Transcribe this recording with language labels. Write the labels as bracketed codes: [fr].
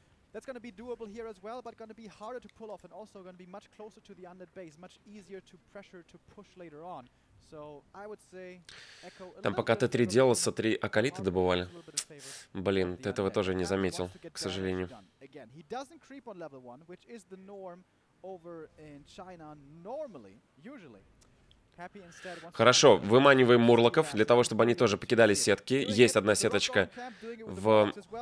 [en] That's going to be doable here as well, but going to be harder to pull off, and also going to be much closer to the undead base, much easier to pressure to push later on. So I would say Echo. [ru] Там пока Т3 делался, три акалита добывали. Блин, ты этого тоже не заметил, к сожалению. [en] Again, he doesn't creep on level one, which is the norm over in China normally, usually. [ru] Хорошо, выманиваем мурлоков для того, чтобы они тоже покидали сетки. Есть одна сеточка в...